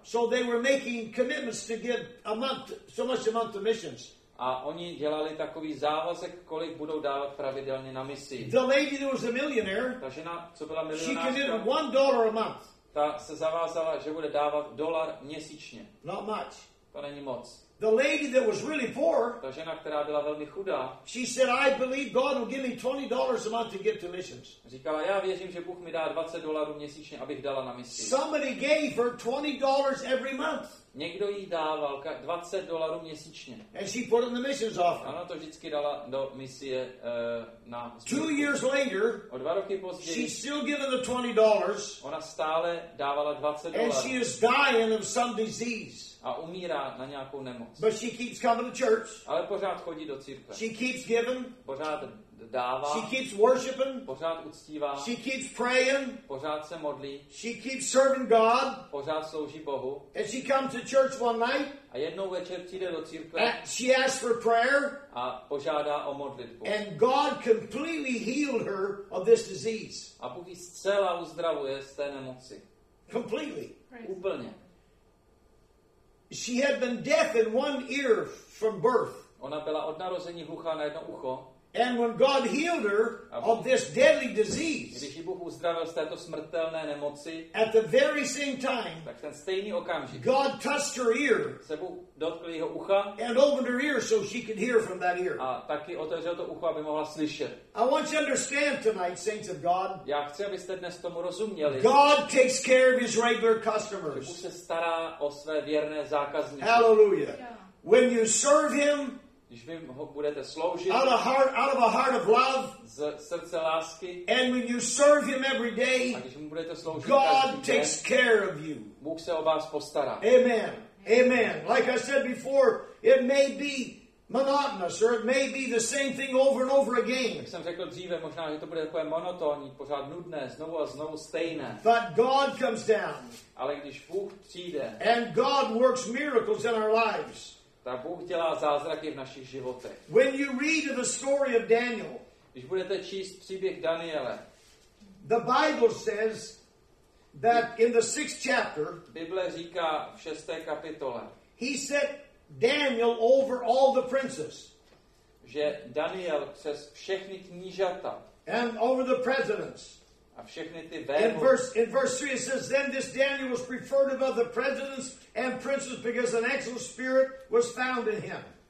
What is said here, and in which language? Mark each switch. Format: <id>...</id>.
<en>So they were making commitments to give a month, so much a month to missions.</en> <cs>A oni dělali takový závazek, kolik budou dávat pravidelně na misi.</cs> <en>The lady that was a millionaire,</en> <cs>ta žena, co byla milionářka,</cs> <en>she committed $1 a month.</en> <cs>Ta se zavázala, že bude dávat dolar měsíčně.</cs> <en>Not much.</en> <cs>To není moc.</cs> <en>The lady that was really poor,</en> <cs>ta žena, která byla velmi chudá,</cs> <en>she said, I believe God will give me $20 a month to give to missions.</en> <cs>Říkala, já věřím, že Bůh mi dá $20 měsíčně, abych dala na misi.</cs> <en>Somebody gave her $20 every month.</en> <cs>Někdo jí dával $20 měsíčně.</cs> <en>And she put in the missions offer.</en> <cs>Ona to vždycky dala do misie na zbytku.</cs> <en>2 years later,</en> <cs>o 2 roky později,</cs> <en>she's still giving the $20.</en> <cs>Ona stále dávala $20.</cs> <en>And she is dying of some disease.</en> <cs>A umírá na nějakou nemoc.</cs> <en>But she keeps coming to church.</en> <cs>Ale pořád chodí do církve.</cs> <en>She keeps giving.</en> <cs>Pořád dává.</cs> <en>She keeps worshiping.</en> <cs>Pořád uctívá.</cs> <en>She keeps praying.</en> <cs>Pořád se modlí.</cs> <en>She keeps serving God.</en> <cs>Pořád slouží Bohu.</cs> <en>And she comes to church one night.</en> <cs>A jednou večer přijde do církve.</cs> <en>And she asks for prayer.</en> <cs>A požádá o modlitbu.</cs> <en>And God completely healed her of this disease.</en> <cs>A Bůh ji zcela uzdravuje z té nemoci.</cs> <en>Completely.</en> <cs>Úplně.</cs> <en>She had been deaf in one ear from birth.</en> <cs>Ona byla od narození hluchá na jedno ucho.</cs> <en>And when God healed her of this deadly disease,</en> <cs>když ji Bůh uzdravil z této smrtelné nemoci,</cs> <en>at the very same time,</en> <cs>tak ten stejný okamžik,</cs> <en>God touched her ear,</en> <cs>se Bůh dotkl jeho ucha,</cs> <en>and opened her ear so she could hear from that ear.</en> <cs>A taky otevřel to ucho, aby mohla slyšet.</cs> <en>I want you to understand tonight, saints of God.</en> <cs>Já chci, abyste dnes tomu rozuměli.</cs> <en>God takes care of his regular customers.</en> <cs>Bůh se stará o své věrné zákazníky.</cs> <en>Hallelujah. When you serve him,</en> <cs>když vy ho budete sloužit,</cs> <en>out of a heart of love,</en> <cs>z srdce lásky,</cs> <en>and when you serve him every day,</en> <cs>a když mu budete sloužit</cs> <en>God</en> <cs>každý</cs> <en>takes</en> <cs>den,</cs> <en>care of you.</en> <cs>Bůh se o vás postará.</cs> <en>Amen. Amen. Like I said before, it may be monotonous, or it may be the same thing over and over again.</en> <cs>Jak jsem řekl dříve, možná, že to bude takové monotónní, pořád nudné, znovu a znovu stejné.</cs> <en>But God comes down.</en> <cs>Ale když Bůh přijde,</cs> <en>and God works miracles in our lives.</en> <cs>Tak Bůh dělá zázraky v našich životech.</cs> <en>When you read the story of Daniel,</en> <cs>když budete číst příběh Daniele,</cs> <en>the Bible says that in the sixth chapter,</en> <cs>Bible říká v 6. kapitole,</cs> <en>he set Daniel over all the princes,</en> <cs>že Daniel přes všechny knížata,</cs> <en>and over the presidents.</en> <cs>A všechny ty vévody.</cs> <en>In verse 3 it says, then this Daniel was preferred above the presidents and princes because an excellent spirit was found in him.</en>